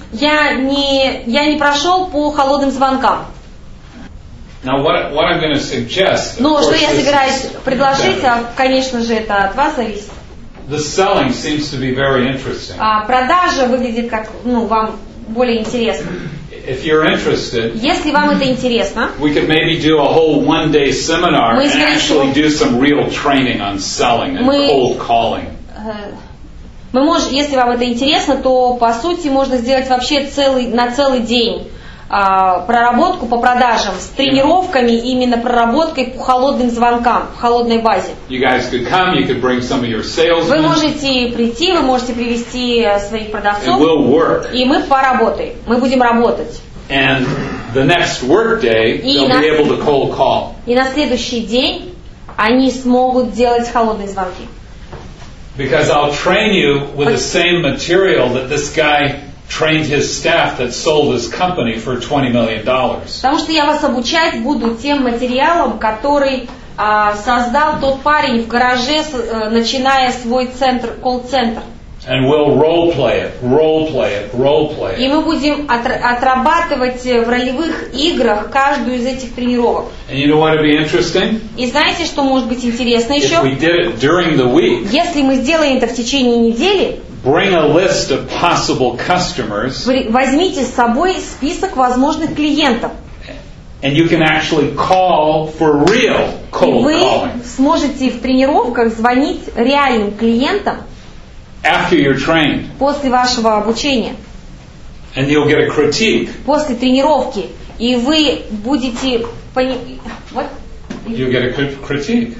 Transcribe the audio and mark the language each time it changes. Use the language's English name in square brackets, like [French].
[Russian] Я не прошел по холодным звонкам. [English] Now what I'm going to suggest. [Russian] Ну, что я собираюсь предложить, конечно же, это от вас зависит. [English] The selling seems to be very interesting. [Russian] Продажа выглядит как, ну, вам более интересно. [English] If you're interested, [Russian] если вам это интересно, [English] we could maybe do a whole one-day seminar and actually do some real training on selling and cold calling. [Russian] Мы можем, если вам это интересно, то по сути можно сделать вообще целый день проработку по продажам с тренировками, именно проработкой по холодным звонкам, по холодной базе. Вы можете прийти, вы можете привести своих продавцов, и мы поработаем, мы будем работать. И на следующий день они смогут делать холодные звонки. [English] Because I'll train you with the same material that this guy trained his staff that sold his company for $20 million. [Russian] Потому что я вас обучать буду тем материалом, который создал тот парень в гараже, начиная свой центр, колл-центр. [English] And we'll role play it. [Russian] И мы будем отрабатывать в ролевых играх каждую из этих тренировок. [English] And you know what would be interesting? [Russian] И знаете, что может быть интересно еще? [English] If we did it during the week. [Russian] Если мы сделаем это в течение недели. [English] Bring a list of possible customers. [Russian] Возьмите с собой список возможных клиентов. [English] And you can actually call for real cold calling. [Russian] Вы сможете в тренировках звонить реальным клиентам. [English] After you're trained. [Russian] После вашего обучения. [English] And you'll get a critique. [Russian] После тренировки и вы будете [English] You'll get a critique.